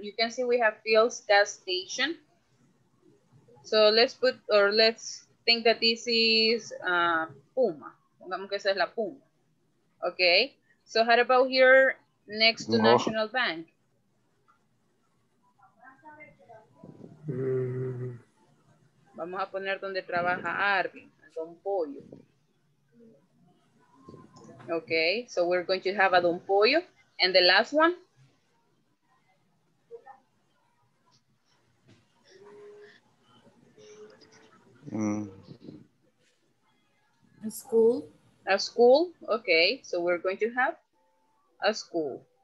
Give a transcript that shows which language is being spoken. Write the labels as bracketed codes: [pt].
[en] You can see we have Phil's gas station. So let's put, or let's think that this is Puma. [es] Pongamos que esa es la Puma. [en] Okay, so how about here next to National Bank? [es] Vamos a poner donde trabaja Arvin, Don Pollo. [en] Okay, so we're going to have a Don Pollo. And the last one? A school. A school, okay. So we're going to have a school.